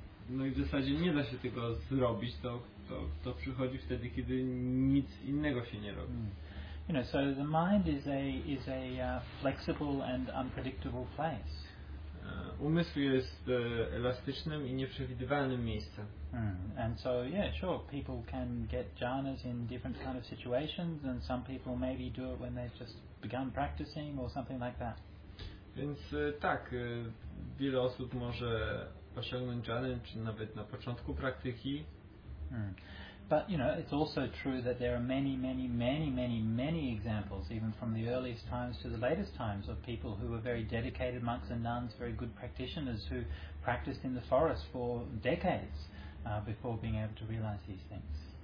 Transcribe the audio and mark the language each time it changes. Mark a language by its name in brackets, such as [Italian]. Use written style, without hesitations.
[Polish] No i w zasadzie nie da się tego zrobić, to przychodzi wtedy, kiedy nic innego się nie robi. [English] So the mind is a flexible and unpredictable place. [Polish] Umysł jest elastycznym i nieprzewidywalnym miejscem. [English] And so, yeah, sure, people can get jhanas in different kind of situations, and some people maybe do it when they've just begun practicing or something like that. [Polish] Więc tak, wiele osób może osiągnąć jhany, czy nawet na początku praktyki. [English] But it's also true that there are many, many, many, many, many examples, even from the earliest times to the latest times, of people who were very dedicated monks and nuns, very good practitioners, who practiced in the forest for decades before being able to realize these things.